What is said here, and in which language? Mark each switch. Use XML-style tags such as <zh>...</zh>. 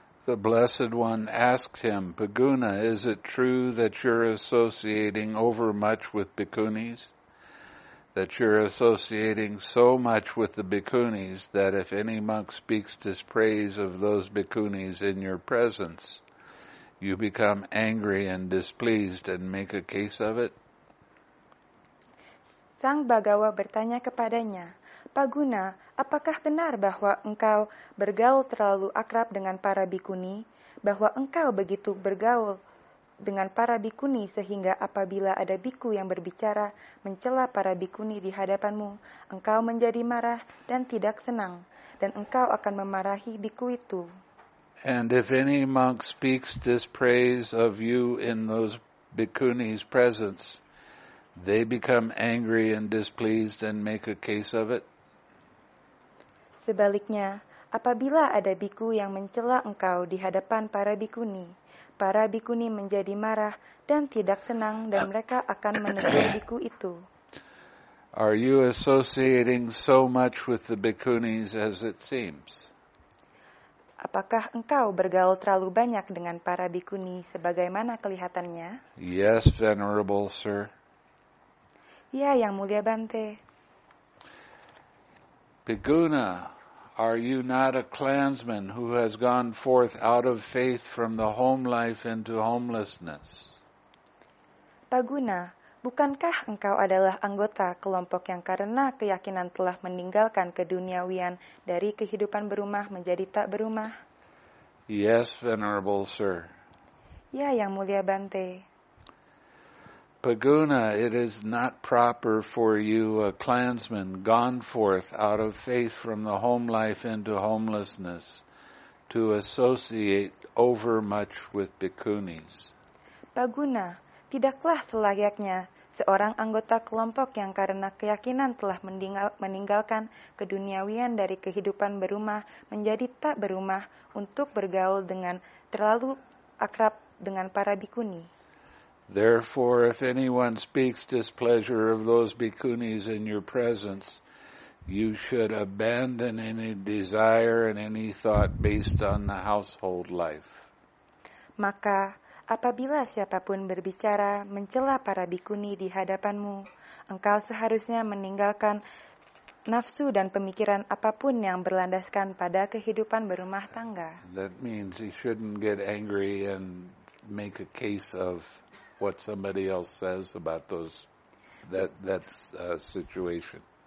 <en>The Blessed One asked him, "Paguna, is it true that you're associating overmuch with bhikkhunis? That you're associating so much with the bhikkhunis that if any monk speaks dispraise of those bhikkhunis in your presence, you become angry and displeased and make a case of it?"</en> <id>Sang Bhagawa bertanya kepadanya, "Paguna, apakah benar bahwa engkau bergaul terlalu akrab dengan para bhikkhuni? Bahwa engkau begitu bergaul dengan para bhikkhuni sehingga apabila ada bhikkhu yang berbicara mencela para bhikkhuni di hadapanmu, engkau menjadi marah dan tidak senang, dan engkau akan memarahi bhikkhu itu?"</id> <en>"And if any monk speaks dispraise of you in those bhikkhuni's presence, they become angry and displeased and make a case of it?"</en> <id>Sebaliknya, apabila ada bhikkhu yang mencela engkau di hadapan para bhikkhuni menjadi marah dan tidak senang dan mereka akan menegur bhikkhu itu.</id> <en>"Are you associating so much with the bhikkhunis as it seems?"</en> <id>Apakah engkau bergaul terlalu banyak dengan para bikuni sebagaimana kelihatannya?</id> <en>Yes, venerable sir.</en> <id>Ya, yang mulia Bante.</id> <en>Biguna, are you not a clansman who has gone forth out of faith from the home life into homelessness?</en> <id>Baguna, bukankah engkau adalah anggota kelompok yang karena keyakinan telah meninggalkan keduniawian dari kehidupan berumah menjadi tak berumah?</id> <en>Yes, venerable sir.</en> <id>Ya, yang mulia Bante.</id> <en>Baguna, it is not proper for you, a clansman gone forth out of faith from the home life into homelessness, to associate overmuch with bikunis.</en> <id>Baguna, tidaklah selayaknya seorang anggota kelompok yang karena keyakinan telah meninggalkan keduniawian dari kehidupan berumah menjadi tak berumah untuk bergaul dengan terlalu akrab dengan para bikuni.</id> <en>Therefore, if anyone speaks displeasure of those bikunis in your presence, you should abandon any desire and any thought based on the household life.</en> <id>Maka, apabila siapapun berbicara mencela para bikuni di hadapanmu, engkau seharusnya meninggalkan nafsu dan pemikiran apapun yang berlandaskan pada kehidupan berumah tangga.</id> <en>That means you shouldn't get angry and make a case of what somebody else says about that situation.</en>